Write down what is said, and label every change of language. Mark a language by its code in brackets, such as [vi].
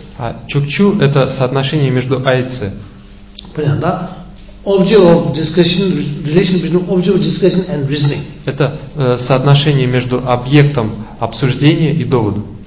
[ru] А чукчу это соотношение между А и С. Понятно, да? [en] Object of discussion, relation between object of discussion and reasoning. [ru] Это соотношение между объектом обсуждения и доводом.